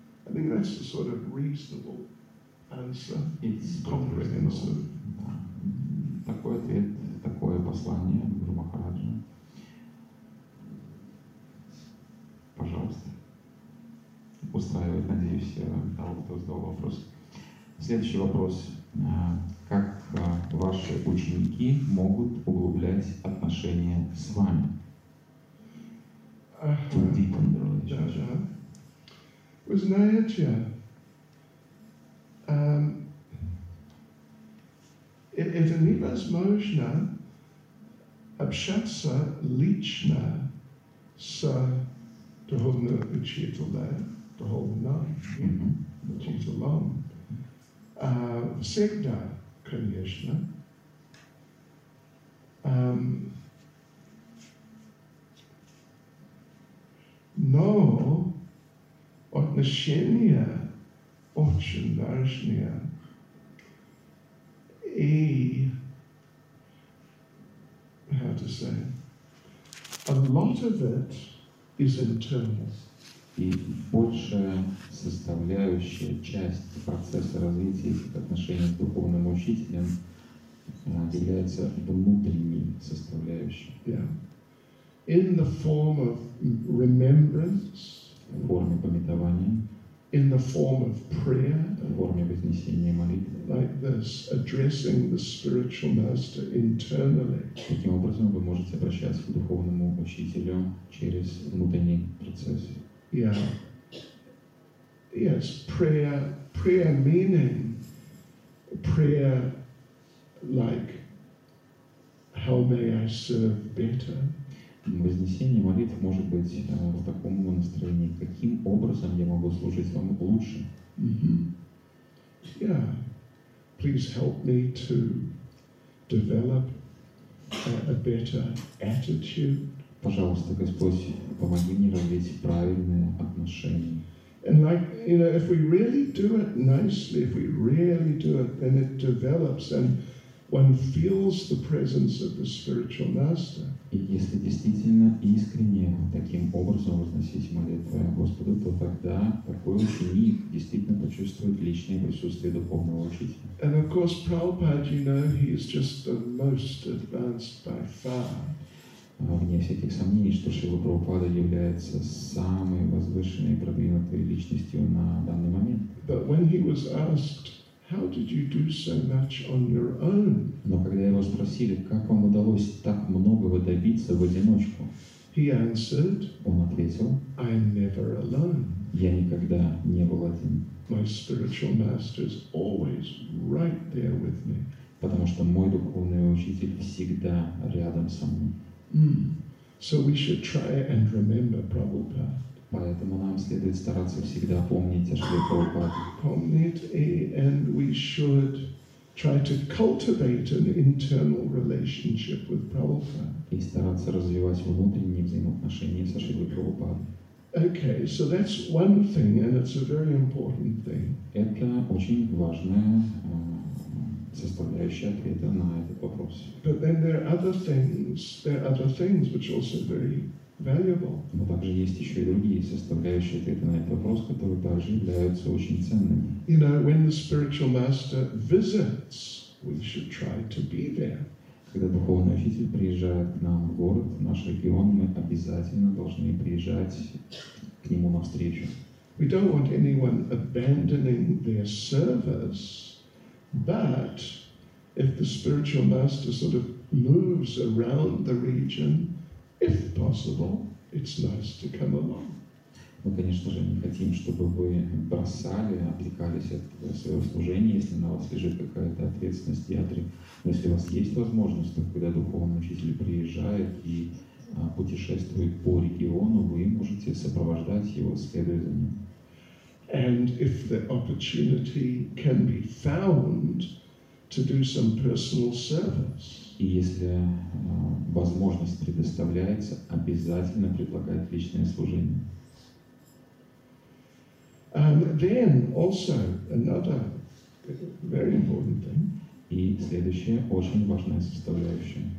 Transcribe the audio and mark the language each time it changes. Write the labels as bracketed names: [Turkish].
[English] I think that's a sort of reasonable answer. It's comprehensive. [Russian] Такой ответ. Такое послание Гуру Махараджа. Пожалуйста. Устраивает, надеюсь, того, кто задал вопрос. Следующий вопрос. Как ваши ученики могут углублять отношения с вами? [English] To deepen the relationship. [Russian] Вы знаете, это невозможно общаться лично с духовным учителем, духовным учителем. Всегда, конечно. Но отношения очень важные. [English] И how to say, a lot of it is internal. [Russian] И большая составляющая часть процесса развития отношений с духовным учителем является внутренней составляющей. [English] In the form of remembrance, [Russian] в форме памятования, [English] in the form of prayer, [Russian] в форме вознесения молитвы, [English] like this, addressing the spiritual master internally. [Russian] Таким образом, вы можете обращаться к духовному учителю через внутренний процесс. [English] Yes, prayer meaning prayer like how may I serve better? [Russian] Вознесение молитв может быть в таком настроении. Каким образом я могу служить вам лучше? [English] Yeah. Please help me to develop a better attitude. [Russian] Пожалуйста, Господь, помоги мне развить правильное отношение. [English] And like, you know, if we really do it nicely, if we really do it, then it develops and one feels the presence of the spiritual master. [Russian] И если действительно искренне таким образом возносить молитвы Господу, то тогда такой ученик действительно почувствует личное присутствие духовного учителя. [English] And of course, Prabhupada, you know, he is just the most advanced by far. [Russian] Вне всяких сомнений, что Шрила Прабхупада является самой возвышенной и продвинутой личностью на данный момент. [English] But when he was asked, how did you do so much on your own? [Russian] Но когда его спросили, как вам удалось так многого добиться в одиночку? [English] He answered, [Russian] он ответил, [English] I'm never alone. [Russian] Я никогда не был один. [English] My spiritual master is always right there with me. [Russian] Потому что мой духовный учитель всегда рядом со мной. [English] So we should try and remember Prabhupada. [Russian] Поэтому нам следует стараться всегда помнить о Шри Прабхупаде. Помнить, [English] and we should try to cultivate an internal relationship with Prabhupada. [Russian] И стараться развивать внутренние взаимоотношения со Шри Прабхупадой. [English] Okay, so that's one thing, and it's a very important thing. [Russian] Это очень важная составляющая ответа на этот вопрос. [English] But then there are other things which are also very valuable. [Russian] Но также есть еще и другие составляющие ответа на этот вопрос, которые также являются очень ценными. [English] You know, when the spiritual master visits, we should try to be there. [Russian] Когда духовный учитель приезжает к нам в город, в наш регион, мы обязательно должны приезжать к нему навстречу. [English] We don't want anyone abandoning their service, but if the spiritual master sort of moves around the region, if possible, it's nice to come along. [Russian] Мы, конечно же, не хотим, чтобы вы бросали, отвлекались от своего служения, если на вас лежит какая-то ответственность, ядри. Но если у вас есть возможность, то когда духовный учитель приезжает и путешествует по региону, вы можете сопровождать его, следуя за ним. [English] And if the opportunity can be found to do some personal service. [Russian] И если возможность предоставляется, обязательно предлагает личное служение. [English] Then also another very important thing. [Russian] И следующая очень важная составляющая.